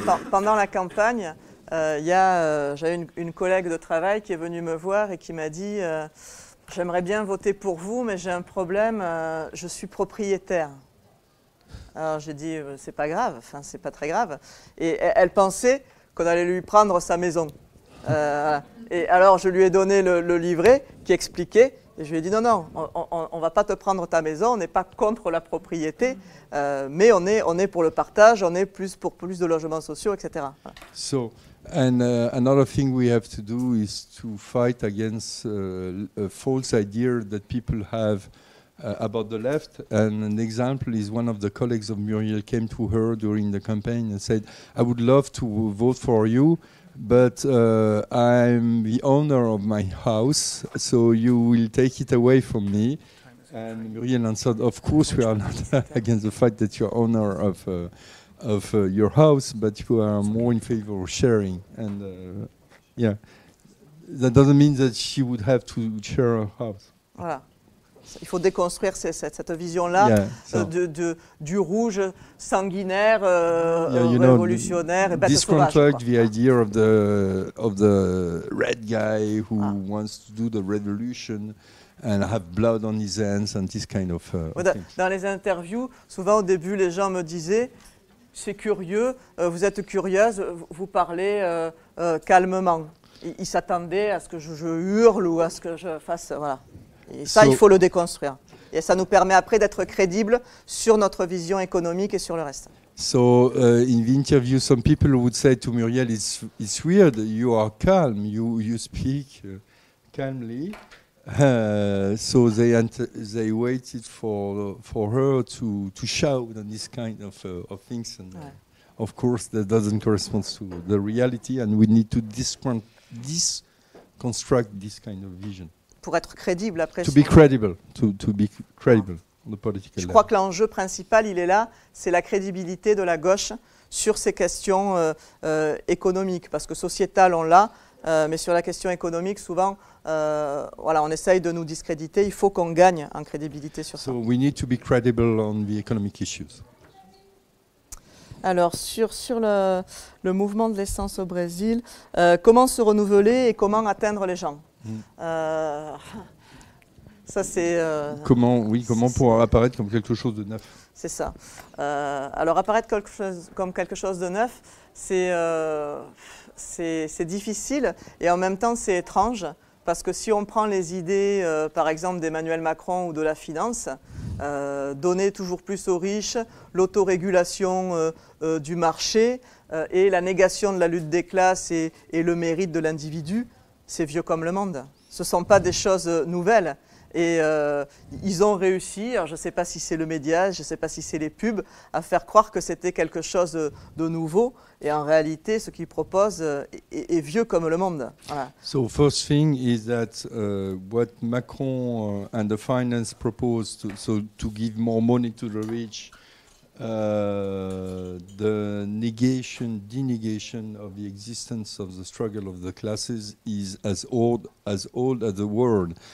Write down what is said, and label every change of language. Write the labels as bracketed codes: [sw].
[fr] Pendant la campagne, j'avais une collègue de travail qui est venue me voir et qui m'a dit « J'aimerais bien voter pour vous, mais j'ai un problème, je suis propriétaire. » Alors j'ai dit « C'est pas grave, enfin c'est pas très grave. » Et elle pensait qu'on allait lui prendre sa maison. Et alors je lui ai donné le livret qui expliquait. Et je lui ai dit, non, on ne va pas te prendre ta maison, on n'est pas contre la propriété, mais on est pour le partage, on est plus pour plus de logements sociaux, etc. Voilà. [en] So, and another thing we have to do is to fight against a false idea that people have about the left. And an example is one of the colleagues of Muriel came to her during the campaign and said, I would love to vote for you, but I'm the owner of my house, so you will take it away from me. And Muriel answered, of course we are not against the fact that you're owner of your house, but you are more in favor of sharing. And that doesn't mean that she would have to share her house. [fr] Voilà. Il faut déconstruire cette vision-là, du rouge sanguinaire, révolutionnaire, et bête sauvage. [en] This contract, the idea of the red guy who wants to do the revolution and have blood on his hands and this kind of [fr] Dans les interviews, souvent au début, les gens me disaient, c'est curieux, vous êtes curieuse, vous parlez calmement. Ils s'attendaient à ce que je hurle ou à ce que je fasse, voilà. Et ça, il faut le déconstruire. Et ça nous permet après d'être crédibles sur notre vision économique et sur le reste. [en] So, in the interview, some people would say to Muriel, it's weird, you are calm, you speak calmly. So they waited for her to shout on this kind of things. And of course, that doesn't correspond to the reality, and we need to deconstruct this kind of vision. [fr] Pour être crédible après. [en] To be credible, to be credible on the political level. [fr] Je crois que l'enjeu principal, il est là, c'est la crédibilité de la gauche sur ces questions économiques, parce que sociétal, on l'a, mais sur la question économique, souvent, on essaye de nous discréditer. Il faut qu'on gagne en crédibilité sur ça. [en] So we need to be credible on the economic issues. [fr] Alors, sur le mouvement de l'essence au Brésil, comment se renouveler et comment atteindre les gens? Ça c'est comment pour apparaître comme quelque chose de neuf. C'est ça. Alors apparaître comme quelque chose de neuf, c'est difficile et en même temps c'est étrange parce que si on prend les idées par exemple d'Emmanuel Macron ou de la finance, donner toujours plus aux riches, l'autorégulation du marché et la négation de la lutte des classes et le mérite de l'individu. C'est vieux comme le monde. Ce ne sont pas des choses nouvelles. Et ils ont réussi, je ne sais pas si c'est le média, je ne sais pas si c'est les pubs, à faire croire que c'était quelque chose de nouveau. Et en réalité, ce qu'ils proposent est vieux comme le monde. Voilà. [en] So first thing is that what Macron and the finance proposed, to give more money to the rich, the denigration of the existence of the struggle of the classes is as old as the world.